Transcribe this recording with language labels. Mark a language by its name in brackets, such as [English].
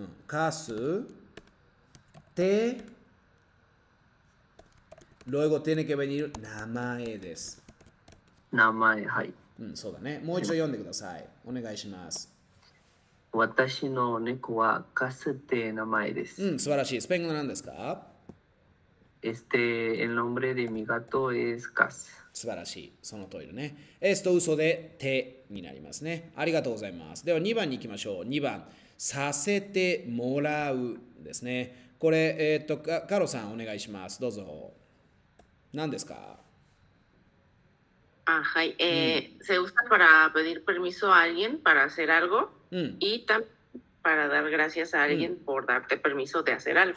[Spanish] カステ luego tiene que venir [Japanese] 名前です。名前、はい。そうだね。もう一度読んでください。お願いします。私の猫はカスって名前です。素晴らしい。スペイン語なんですか？ [Spanish] El nombre de mi gato es カス。 [Japanese] 素晴らしい。その通りだね。嘘で、てになりますね。ありがとうございます。では2番に行きましょう。2番、させてもらうですね。これ、カロさん、お願いします。どうぞ。何ですか？ Ah, hi. [Spanish] Se usa para pedir permiso a alguien para hacer algo y también para dar gracias a alguien por darte permiso de hacer algo.